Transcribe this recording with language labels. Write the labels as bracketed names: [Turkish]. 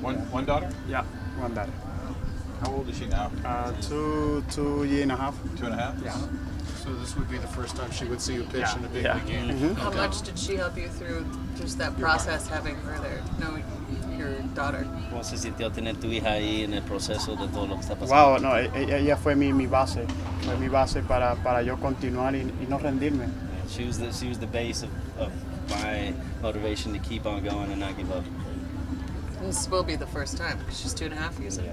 [English] One daughter? Yeah, one daughter. How old is she now? Two year and a half. 2.5? Yeah. So this would be the first time she would see you pitch in a big league game. Mm-hmm. How much did she help you through just that process, having her there, knowing your daughter? [Spanish] ¿Cómo se sintió tener tu hija ahí en el proceso de todo lo que está pasando? Wow, no, ella fue mi base. Fue mi base para yo continuar y no rendirme. [English] She was the base of my motivation to keep on going and not give up. This will be the first time, because she's 2.5 years old.